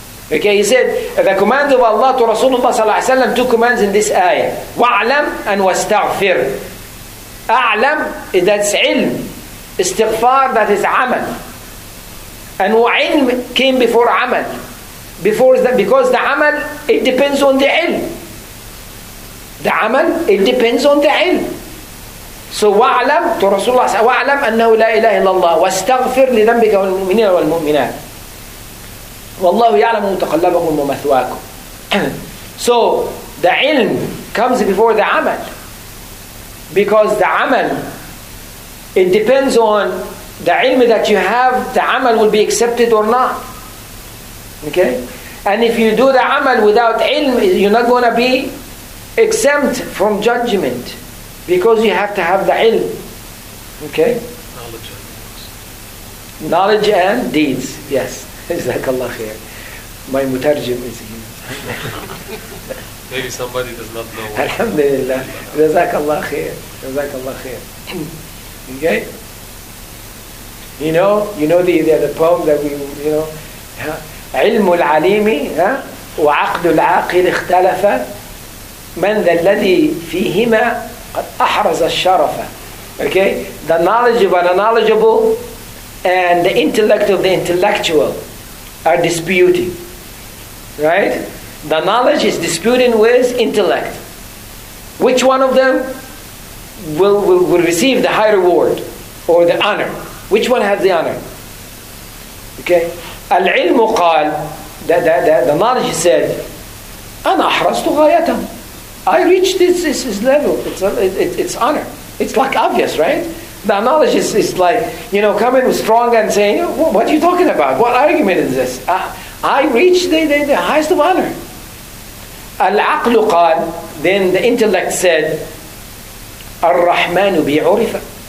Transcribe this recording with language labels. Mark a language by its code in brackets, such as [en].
[en] Okay, he said the command of Allah to Rasulullah صلى الله عليه وسلم, two commands in this ayah. [ar] وَعْلَمْ أَنْ وَاسْتَغْفِرْ. أَعْلَمْ, that's علم. [en] استغفار, that is عمل. And وعلم came before عمل. Before the, because the عمل, it depends on the علم. The عمل, it depends on the علم. So [ar] وَعْلَمْ, to Rasulullah صلى الله عليه وسلم, أَنَّهُ لَا إِلَهِ إِلَّا اللَّهُ وَاسْتَغْفِرْ لِذَنْبِكَ وَالْمُؤْمِنِينَ وَالْمُؤْمِنَاتِ وَاللَّهُ يَعْلَمُ مُتَقَلَّبَكُمْ وَمَثْوَاكُمْ. [en] So the ilm comes before the amal, because the amal, it depends on the ilm that you have, the amal will be accepted or not. Okay? And if you do the amal without ilm, you're not going to be exempt from judgment, because you have to have the ilm. Okay? Knowledge and deeds. Knowledge and deeds, yes. Jazakallah khair. My mutarjim is here. Maybe somebody does not know. Alhamdulillah. Jazakallah khair. Jazakallah khair. Okay? You know the poem that we, you know, [ar] علم العليم وعقد العاقل اختلف من ذا الذي فيهما قد أحرز الشرف. Okay? [en] The knowledge of an knowledgeable and the intellect of the intellectual are disputing, right? The knowledge is disputing with intellect. Which one of them will receive the high reward or the honor? Which one has the honor? Okay. [ar] العلم قال, [en] the knowledge said, [ar] أنا أحرزت غايته. [en] I reached this level. It's honor. It's like obvious, right? The knowledge is like, you know, coming strong and saying, what are you talking about? What argument is this? I reached the highest of honor. [ar] العقل قال, [en] then the intellect said, [ar] الرحمن بعرف.